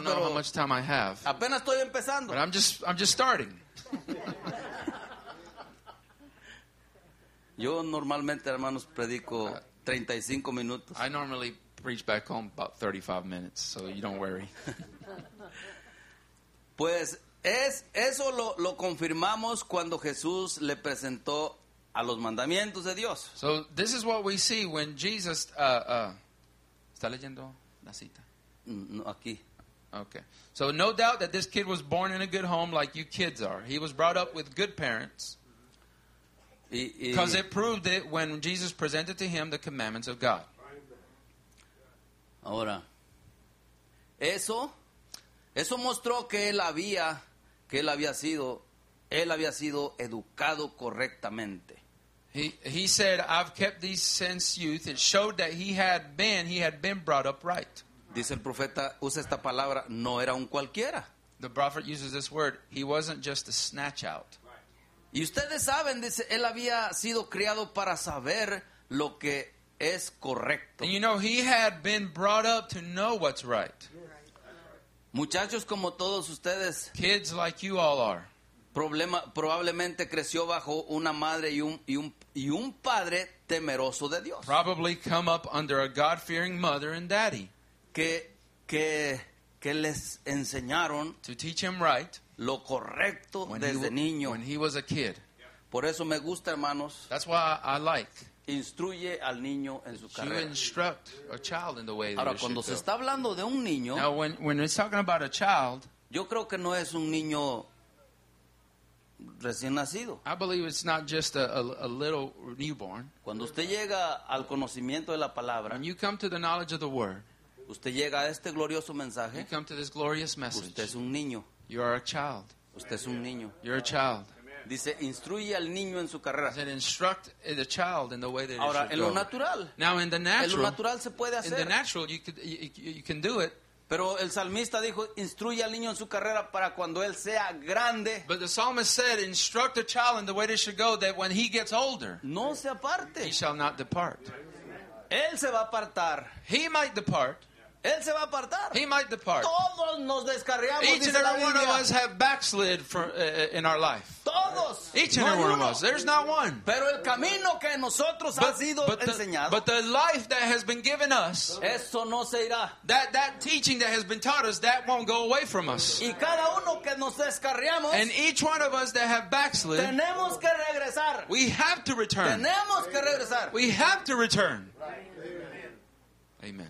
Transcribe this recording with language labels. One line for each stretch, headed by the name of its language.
English: I don't know how much time I have.
Spanish: Apenas estoy empezando.
English: But I'm just starting.
Spanish: Yo normalmente, hermanos, predico 35 minutos.
English: I normally preach back home about 35 minutes, so you don't worry.
Spanish: Pues eso lo confirmamos cuando Jesús le presentó a los mandamientos de Dios.
English: So this is what we see when Jesus
Spanish: está leyendo la cita. No, aquí.
English: Okay. So no doubt that this kid was born in a good home like you kids are. He was brought up with good parents. Because it proved it when Jesus presented to him the commandments of God.
Spanish: Ahora, eso mostró que él había sido educado correctamente.
English: He said, I've kept these since youth. It showed that he had been brought up right.
Spanish: Dice el profeta, usa esta palabra, no era un cualquiera.
English: The prophet uses this word, he wasn't just a snatch out.
Spanish: Y ustedes saben, dice, él había sido criado para saber lo que es correcto.
English: And you know, he had been brought up to know what's right.
Spanish: Muchachos como todos ustedes.
English: Kids like you all are.
Spanish: Probablemente creció bajo una madre y un padre temeroso de Dios.
English: Probably come up under a God-fearing mother and daddy.
Spanish: Que les enseñaron
English: to teach him right
Spanish: lo correcto desde niño.
English: When he was a kid.
Spanish: Por eso me gusta, hermanos.
English: That's why I like.
Spanish: Instruye al niño en su carrera.
English: You instruct a child in the way.
Spanish: Ahora, cuando se está hablando de un niño.
English: Now, when it's talking about a child.
Spanish: Yo creo que no es un niño recién nacido.
English: I believe it's not just a little newborn.
Spanish: Cuando usted llega al conocimiento de la palabra.
English: When you come to the knowledge of the word.
Spanish: Usted llega a este glorioso mensaje.
English: You come to this glorious message.
Spanish: Usted es un niño.
English: You are a child.
Spanish: Usted es un niño.
English: You're a child.
Spanish: Dice, instruye al niño en su carrera.
English: Said, instruct the child in the way that it should
Spanish: go. Ahora, en lo natural.
English: Now, in the natural.
Spanish: En lo natural se puede hacer.
English: In the natural, you can do it.
Spanish: Pero el salmista dijo, instruye al niño en su carrera para cuando él sea grande.
English: But the psalmist said, instruct the child in the way that it should go, that when he gets older,
Spanish: no se aparte.
English: He shall not depart.
Spanish: Él se va a apartar.
English: He might depart.
Spanish: Él se va a apartar.
English: He might depart.
Spanish: Todos nos descarriamos,
English: each and every one of us have backslid in our life.
Spanish: Todos.
English: Each and every one of us. There's not one.
Spanish: Pero el camino que nosotros ha sido enseñado.
English: But the life that has been given us.
Spanish: Eso no se irá.
English: That teaching that has been taught us, that won't go away from us.
Spanish: Y cada uno que nos descarriamos.
English: And each one of us that have backslid.
Spanish: Tenemos que regresar.
English: We have to return.
Spanish: Tenemos que regresar.
English: We have to return. Amen.